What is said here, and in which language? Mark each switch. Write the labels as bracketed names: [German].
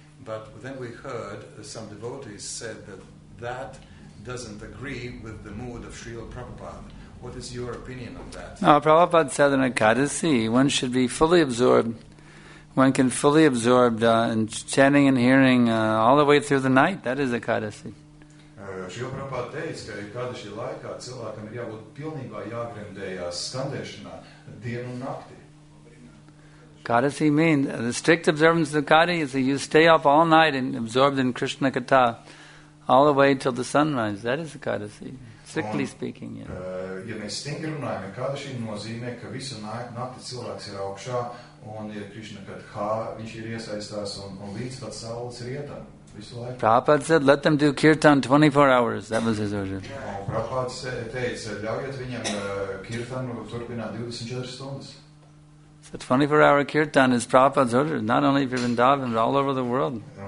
[English] But then we heard some devotees said that doesn't agree with the mood of Srila Prabhupada. What is your opinion on that? No, Prabhupada said in Ekadasi, one should be fully absorbed. One can fully absorb in chanting and hearing all the way through the night. That is Ekadasi. [Latvian] Srila Prabhupada teica, ka Ekadasi laikā cilvēkam ir jābūt pilnībā jāgremdējās skandēšanā dienu un nakti. [English] Kadasi means the strict observance of Kadi is that you stay up all night and absorbed in Krishna Katha all the way till the sunrise. That is a Kadasi, strictly speaking. Yeah. [Latvian] Ja mēs stingri runājam, Kadasi nozīmē, ka visu nakti cilvēks ir augšā un ir Krishna Katha, viņš ir iesaistās un līdz pat saules rietam. [English] Prabhupada said, let them do kirtan 24 hours. That was his order. [Latvian] Prabhupada teica, ļaujiet viņam kirtan turpināt 24 stundas. [English] The 24-hour kirtan is Prabhupada's order, not only for Vrindavan, but all over the world.